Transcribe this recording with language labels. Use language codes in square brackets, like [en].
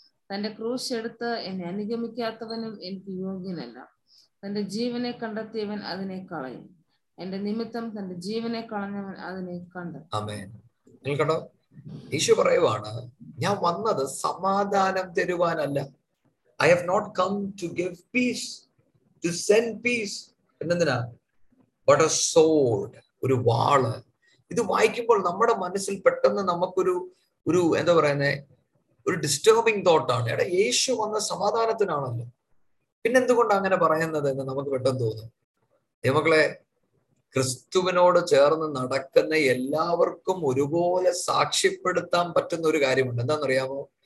[ml] തന്റെ ക്രൂശ് എടുത്ത് എന്നെ അനുഗമിക്കാത്തവനും എനിക്ക് യോഗ്യനല്ല. തന്റെ ജീവനെ കണ്ടെത്തിയവൻ അതിനെ കളയും. എന്റെ നിമിത്തം തന്റെ ജീവനെ കളഞ്ഞവൻ അതിനെ കണ്ടെത്തും. യേശു പറയുവാണ്, ഞാൻ വന്നത് സമാധാനം തരുവാനല്ല. [en] I have not come to give peace, to send peace, but a sword, [ml] ഒരു വാള്. ഇത് വായിക്കുമ്പോൾ നമ്മുടെ മനസ്സിൽ പെട്ടെന്ന് നമുക്കൊരു ഒരു എന്താ പറയുന്നത്, ഒരു ഡിസ്റ്റർബിംഗ് തോട്ട് ആണ്. എടാ, യേശു വന്ന സമാധാനത്തിനാണല്ലോ, പിന്നെന്തുകൊണ്ട് അങ്ങനെ പറയുന്നത് എന്ന് നമുക്ക് പെട്ടെന്ന് തോന്നും. ദൈവമക്കളെ, ക്രിസ്തുവിനോട് ചേർന്ന് നടക്കുന്ന എല്ലാവർക്കും ഒരുപോലെ സാക്ഷ്യപ്പെടുത്താൻ പറ്റുന്ന ഒരു കാര്യമുണ്ട്. എന്താണെന്നറിയാമോ?